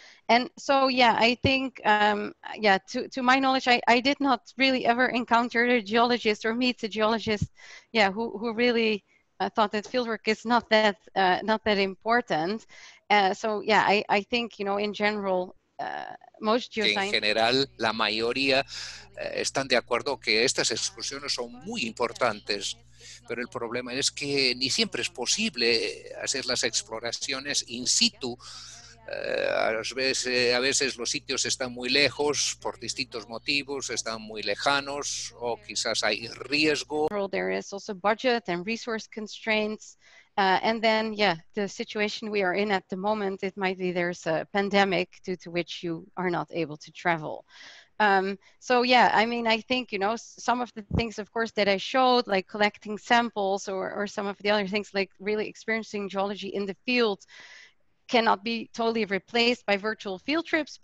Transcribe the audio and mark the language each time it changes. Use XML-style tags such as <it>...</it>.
<en>And so, I think, to my knowledge, I did not really ever encounter a geologist or meet a geologist, who really thought that fieldwork is not that important. I think, you know, in general, most geoscientists...</en> <es>En general, la mayoría están de acuerdo que estas excursiones son muy importantes, pero el problema es que ni siempre es posible hacer las exploraciones in situ. A veces los sitios están muy lejos por distintos motivos, están muy lejanos o quizás hay riesgo.</es> <en>There is also budget and resource constraints. And then, the situation we are in at the moment, it might be there's a pandemic due to which you are not able to travel. I think, you know, some of the things, of course, that I showed, like collecting samples or some of the other things, like really experiencing geology in the field, cannot be totally replaced by virtual field trips.</en>